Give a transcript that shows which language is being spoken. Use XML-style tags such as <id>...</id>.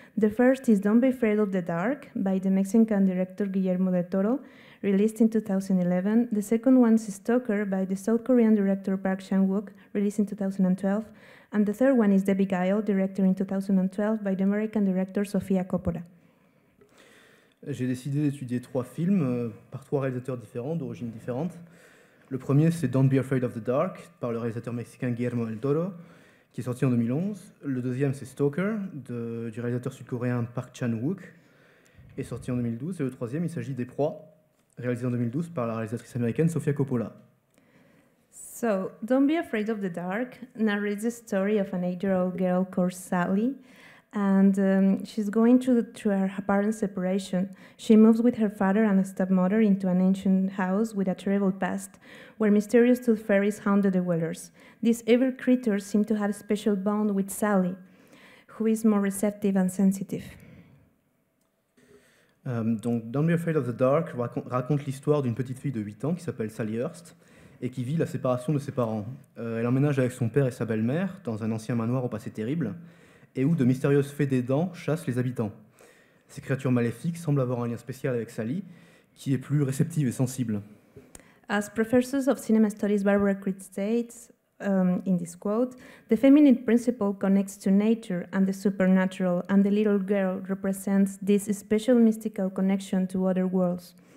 <en>The first is Don't Be Afraid of the Dark by the Mexican director Guillermo del Toro, released in 2011. The second one is Stalker by the South Korean director Park Chan-wook, released in 2012. And the third one is The Beguile, directed in 2012 by the American director Sofia Coppola.</en> <fr>J'ai décidé d'étudier trois films par trois réalisateurs différents, d'origine différente. Le premier, c'est Don't Be Afraid of the Dark, par le réalisateur mexicain Guillermo del Toro, qui est sorti en 2011. Le deuxième, c'est Stalker, du réalisateur sud-coréen Park Chan-wook, est sorti en 2012. Et le troisième, il s'agit des Proies, réalisé en 2012 par la réalisatrice américaine Sofia Coppola.</fr> <en>So, Don't Be Afraid of the Dark narrates the story of an 8-year-old girl called Sally, and she's going through her parents' separation. She moves with her father and a stepmother into an ancient house with a terrible past, where mysterious tooth fairies haunt the dwellers. These evil creatures seem to have a special bond with Sally, who is more receptive and sensitive.</en> <fr>Donc, Don't Be Afraid of the Dark raconte l'histoire d'une petite fille de 8 ans qui s'appelle Sally Hurst et qui vit la séparation de ses parents. Elle emménage avec son père et sa belle-mère dans un ancien manoir au passé terrible et où de mystérieuses fées des dents chassent les habitants. Ces créatures maléfiques semblent avoir un lien spécial avec Sally, qui est plus réceptive et sensible.</fr> <en>As professor of cinema studies Barbara Creed states in this quote, the feminine principle connects to nature and the supernatural, and the little girl represents this special mystical connection to other worlds.</en>